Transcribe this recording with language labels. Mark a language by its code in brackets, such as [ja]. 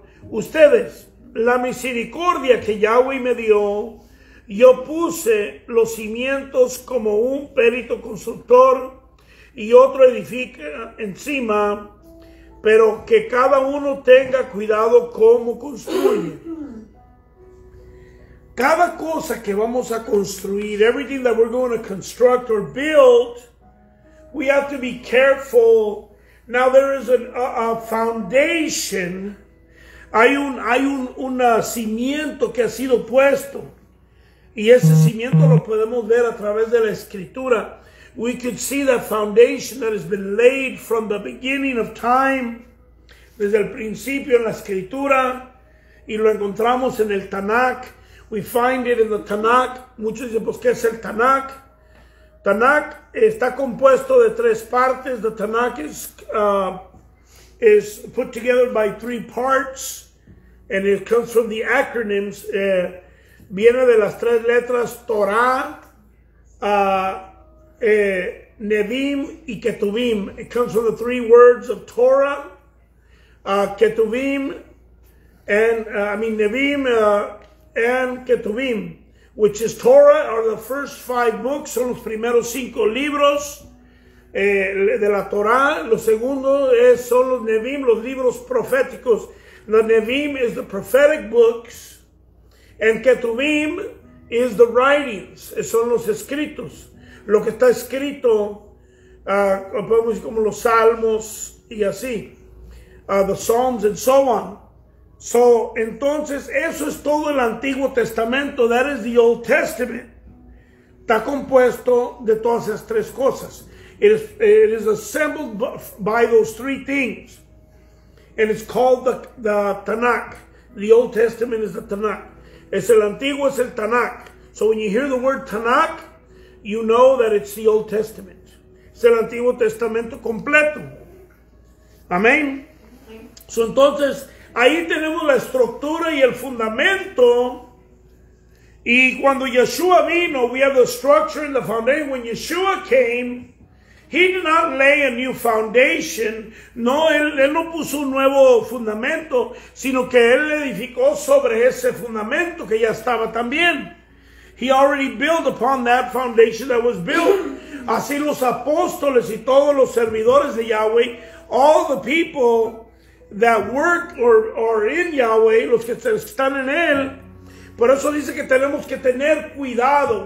[es] Ustedes, la misericordia que Yahweh me dio, yo puse los cimientos como un perito constructor y otro edifica encima, pero que cada uno tenga cuidado cómo construye. Cada cosa que vamos a construir, [en] everything that we're going to construct or build, we have to be careful. Now there is a foundation. [es] Hay un cimiento que ha sido puesto. Y ese cimiento lo podemos ver a través de la escritura. [en] We could see that foundation that has been laid from the beginning of time. [es] Desde el principio en la escritura. Y lo encontramos en el Tanakh. [en] We find it in the Tanakh. [es] Muchos dicen, pues, ¿qué es el Tanakh? Tanakh está compuesto de tres partes. [en] The Tanakh is put together by three parts. And it comes from the acronyms. [es] Viene de las tres letras Torah, Nevim y Ketuvim. [en] It comes from the three words of Torah, Ketuvim, Nevim and Ketuvim, which is Torah, are the first five books, [es] son los primeros cinco libros de la Torah. Lo segundo son los Nevim, los libros proféticos. [en] The Nevim is the prophetic books. And Ketuvim is the writings, [es] son los escritos, lo que está escrito, podemos decir como los salmos y así, [en] the psalms and so on. [es] So, entonces, eso es todo el Antiguo Testamento, [en] that is the Old Testament. [es] Está compuesto de todas esas tres cosas. [en] It is assembled by those three things. And it's called the Tanakh. The Old Testament is the Tanakh. [es] Es el antiguo, es el Tanakh. [en] So when you hear the word Tanakh, you know that it's the Old Testament. [es] Es el Antiguo Testamento completo. Amén. Okay. So entonces, ahí tenemos la estructura y el fundamento. Y cuando Yeshua vino, [en] we have the structure and the foundation. When Yeshua came, He did not lay a new foundation. [es] No, él no puso un nuevo fundamento, sino que Él edificó sobre ese fundamento que ya estaba también. [en] He already built upon that foundation that was built. [es] Así los apóstoles y todos los servidores de Yahweh, [en] all the people that work or are in Yahweh, [es] los que están en Él, por eso dice que tenemos que tener cuidado.